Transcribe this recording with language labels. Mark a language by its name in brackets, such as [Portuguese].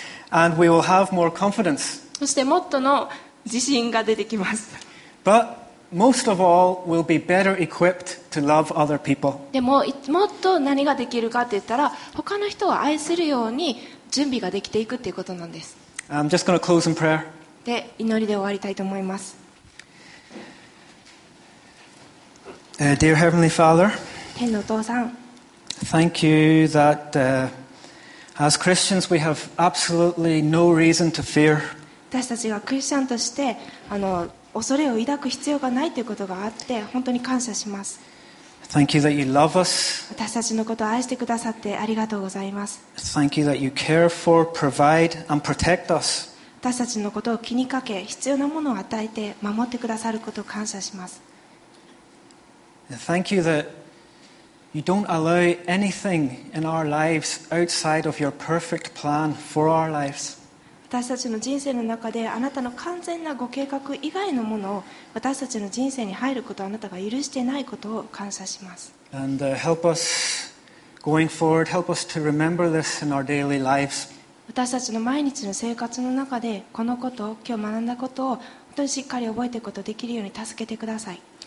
[English] And we will have more confidence. [Japanese] そしてもっとの自信が出てきます。 [English] But most of all, we'll be better equipped to love other people. [Japanese] でも、もっと何ができるかって言ったら、他の人を愛せるように準備ができていくっていうことなんです。 [English] I'm just going to close in prayer. [Japanese] で、祈りで終わりたいと思います。 [English] Dear Heavenly Father, [Japanese] 天のお父さん、 [English] Thank you that, as Christians, we have absolutely no reason to fear. [Japanese] 私たちがクリスチャンとして、恐れを抱く必要がないということがあって、本当に感謝します。 [English] Thank you that you love us. [Japanese] 私たちのことを愛してくださってありがとうございます。 [English] Thank you that you care for, provide, and protect us. [Japanese] 私たちのことを気にかけ、必要なものを与えて守ってくださることを感謝します。 [English] Thank you that you don't allow anything in our lives outside of your perfect plan for our lives. [Japanese] 私たちの人生の中であなたの完全なご計画以外のものを私たちの人生に入ることをあなたが許していないことを感謝します。 [English] And, help us going forward, help us to remember this in our daily lives. [Japanese] 私たちの毎日の生活の中でこのことを今日学んだことを本当にしっかり覚えていくことができるように助けてください。